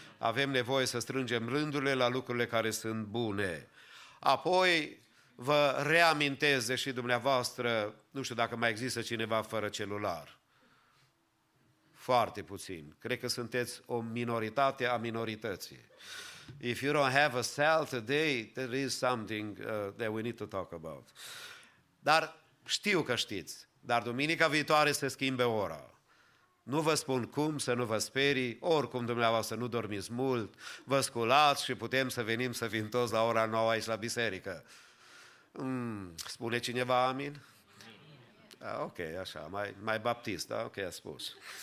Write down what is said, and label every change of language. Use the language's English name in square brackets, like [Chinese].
[Romanian] Avem nevoie să strângem rândurile la lucrurile care sunt bune. Apoi, vă reamintesc, deși dumneavoastră, nu știu dacă mai există cineva fără celular. Foarte puțin. Cred că sunteți o minoritate a minorității. [English] If you don't have a cell today, there is something that we need to talk about. [Romanian] Dar știu că știți, dar duminica viitoare se schimbe ora. Nu vă spun cum să nu vă sperii, oricum dumneavoastră nu dormiți mult, vă sculați și putem să venim să fim toți la ora 9 aici la biserică. Spune cineva amin? Ok, așa, mai baptist, da? Ok, a spus.